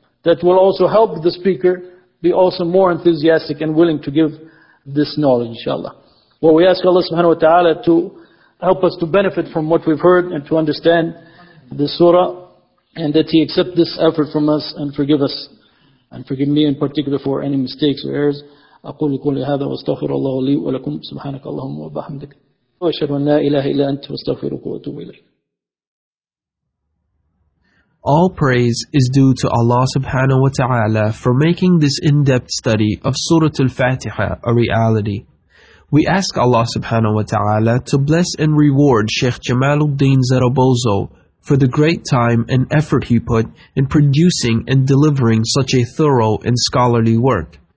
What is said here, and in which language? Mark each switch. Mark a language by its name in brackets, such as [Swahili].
[English] That will also help the speaker be also more enthusiastic and willing to give this knowledge, inshallah. Well, we ask Allah subhanahu wa ta'ala to help us to benefit from what we've heard and to understand the surah, and that He accept this effort from us and forgive us, and forgive me in particular for any mistakes or errors. [Arabic] أقول كل هذا واستغفر الله لي ولكم سبحانك اللهم وبحمدك وأشهد أن لا إله إلا أنت واستغفرك وأتوب إليك. [English] All praise is due to Allah subhanahu wa ta'ala for making this in-depth study of Surah Al-Fatiha a reality. We ask Allah subhanahu wa ta'ala to bless and reward Sheikh Jamaluddin Zarabozo for the great time and effort he put in producing and delivering such a thorough and scholarly work.